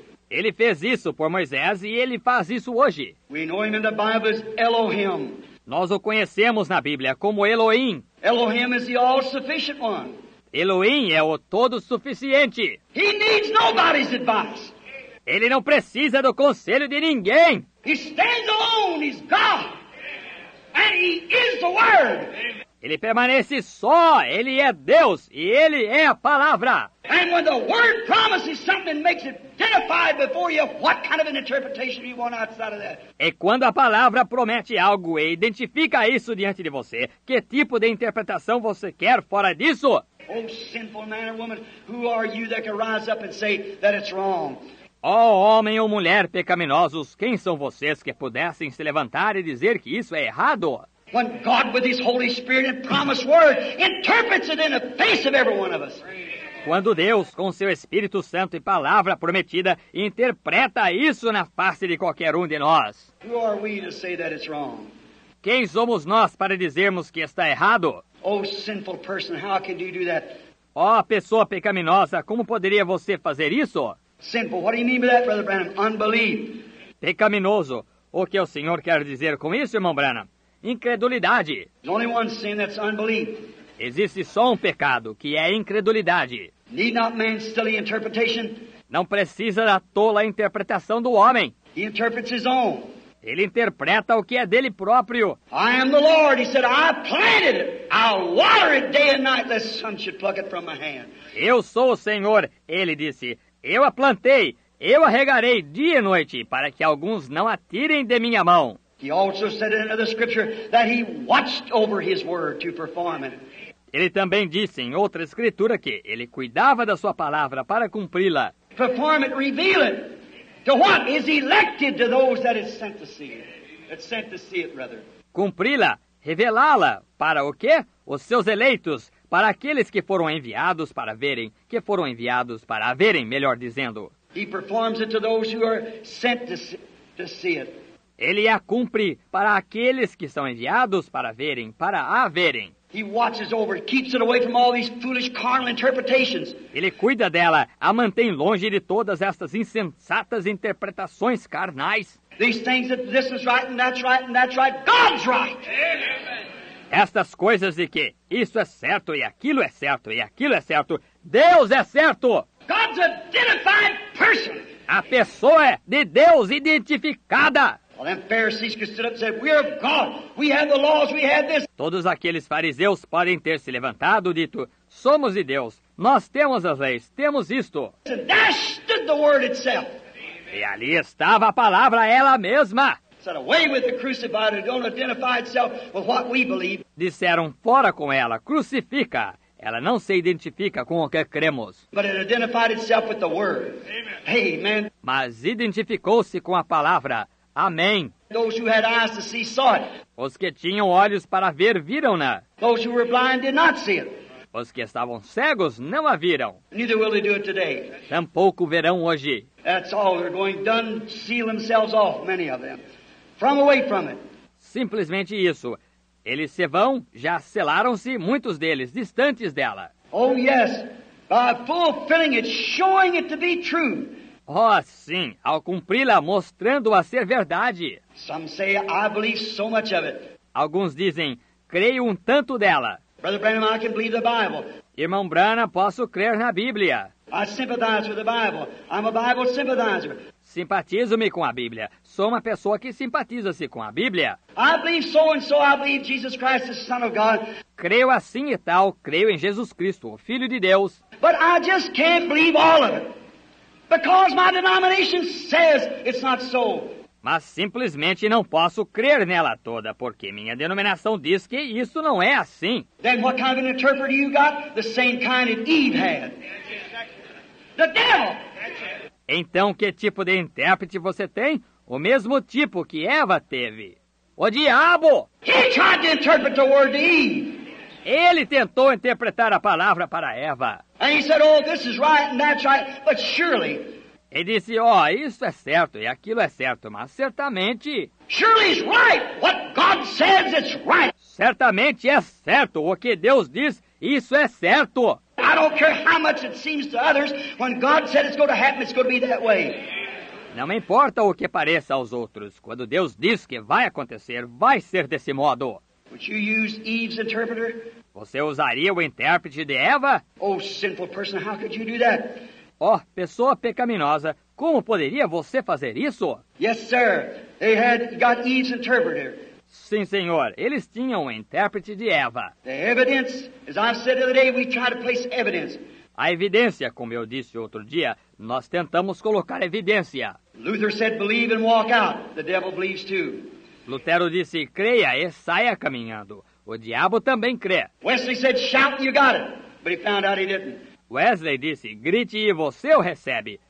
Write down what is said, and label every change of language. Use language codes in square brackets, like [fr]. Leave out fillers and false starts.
[pt] Ele fez isso por Moisés e ele faz isso hoje. [en] We know him in the Bible as Elohim. [pt] Nós o conhecemos na Bíblia como Elohim. [en] Elohim is the all-sufficient one. [pt] Elohim é o todo-suficiente. [en] He needs nobody's advice. [pt] Ele não precisa do conselho de ninguém. [en] He stands alone, he's God, and he is the Word. [pt] Ele permanece só, ele é Deus, e ele é a palavra. [en] And when the Word promises something, makes it identify before you what kind of an interpretation you want outside of that. [pt] E quando a palavra promete algo e identifica isso diante de você, que tipo de interpretação você quer fora disso? [en] Oh, sinful man or woman, who are you that can rise up and say that it's wrong? [pt] Oh, homem ou mulher pecaminosos, quem são vocês que pudessem se levantar e dizer que isso é errado? [en] When God with his Holy Spirit and promised word interprets it in the face of every one of us. [pt] Quando Deus, com seu Espírito Santo e palavra prometida, interpreta isso na face de qualquer um de nós. [en] Who are we to say that it's wrong? [pt] Quem somos nós para dizermos que está errado? [en] Oh, sinful person, how can you do that? [pt] Oh, pessoa pecaminosa, como poderia você fazer isso? [en] Sinful. What do you mean by that, Brother Branham? Unbelief. [pt] Pecaminoso. O que o senhor quer dizer com isso, irmão Branham? Incredulidade. [en] There's only one sin that's unbelief. [pt] Existe só um pecado, que é incredulidade. [en] Need not man's silly interpretation. [pt] Não precisa da tola interpretação do homem. [en] He interprets his own. [pt] Ele interpreta o que é dele próprio. [en] I am the Lord. He said, I planted it. I'll water it day and night, lest some should pluck it from my hand. [pt] Eu sou o Senhor. Ele disse, eu a plantei, eu a regarei dia e noite, para que alguns não a tirem de minha mão. [en] He also said in another scripture that he watched over his word to perform it. [pt] Ele também disse em outra escritura que ele cuidava da sua palavra para cumpri-la. [en] Perform it, reveal it. To what is elected to those that is sent to see it. That's sent to see it, rather. [pt] Cumpri-la, revelá-la, para o quê? Os seus eleitos. Para aqueles que foram enviados para verem, que foram enviados para verem, melhor dizendo. [en] He performs it to those who are sent to see it. [pt] Ele a cumpre para aqueles que são enviados para verem, para a verem. [en] He watches over, keeps it away from all these foolish carnal interpretations. [pt] Ele cuida dela, a mantém longe de todas estas insensatas interpretações carnais. [en] These things that this is right and that's right and that's right, God's right. Amen. [pt] estas coisas de que isso é certo e aquilo é certo e aquilo é certo, Deus é certo. [en] God's identified person. [pt] A pessoa é de Deus identificada. [en] Well, them Pharisees could stand up and say, we're of God. We have the laws, we have this. [pt] Todos aqueles fariseus podem ter se levantado e dito, somos de Deus, nós temos as leis, temos isto. [en] And there stood the word itself. [pt] E ali estava a palavra ela mesma. [en] Said, away with the crucified, it don't identify itself with what we believe. [pt] Disseram, fora com ela, crucifica. Ela não se identifica com o que cremos. [en] But it identified itself with the word. Amen. Amen. [pt] Mas identificou-se com a palavra. Amém. [en] Those who had eyes to see, saw it. [pt] Os que tinham olhos para ver, viram-na. [en] Those who were blind did not see it. [pt] Os que estavam cegos não a viram. [en] Neither will they do it today. [pt] Tampouco verão hoje. [en] That's all. They're going done, seal themselves off, many of them. From away from it. [pt] Simplesmente isso. Eles se vão, já selaram-se, muitos deles, distantes dela. [en] Oh, yes. By fulfilling it, showing it to be true. [pt] Oh, sim, ao cumpri-la, mostrando-a ser verdade. [en] Some say, I believe so much of it. [pt] Alguns dizem, creio um tanto dela. [en] Brother Branham, I can believe the Bible. [pt] Irmão Branham, posso crer na Bíblia. [en] I sympathize with the Bible. I'm a Bible sympathizer. [pt] Simpatizo-me com a Bíblia. Sou uma pessoa que simpatiza-se com a Bíblia. [en] I believe so and so. I believe Jesus Christ is the Son of God. [pt] Creio assim e tal. Creio em Jesus Cristo, o Filho de Deus. [en] But I just can't believe all of it. Because my denomination says it's not so. [pt] Mas simplesmente não posso crer nela toda, porque minha denominação diz que isso não é assim. [en] Then what kind of an interpreter you got? The same kind that Eve had. The devil. [pt] Então, que tipo de intérprete você tem? O mesmo tipo que Eva teve. O diabo! [en] He tried to interpret the word to Eve. [pt] Ele tentou interpretar a palavra para Eva. [en] And he said, oh, this is right and that's right, but surely. [pt] Ele disse, oh, isso é certo e aquilo é certo, mas certamente. [en] Surely it's right. What God says is right. [pt] Certamente é certo. O que Deus diz, isso é certo. [en] I don't care how much it seems to others, when God said it's going to happen, it's going to be that way. [pt] Não importa o que pareça aos outros, quando Deus diz que vai acontecer, vai ser desse modo. [en] Would you use Eve's interpreter? [pt] Você usaria o intérprete de Eva? [en] Oh, sinful person, how could you do that? [pt] Oh, pessoa pecaminosa, como poderia você fazer isso? [en] Yes, sir. They had got Eve's interpreter. [pt] Sim, senhor. Eles tinham o intérprete de Eva. [en] The evidence, as I said the other day, we try to place evidence. [pt] A evidência, como eu disse outro dia, nós tentamos colocar evidência. [en] Luther said, believe and walk out. The devil believes too. [pt] Lutero disse, creia e saia caminhando. O diabo também crê. [en] Wesley said, shout and you got it. But he found out he didn't. [pt] Wesley disse, grite e você o recebe.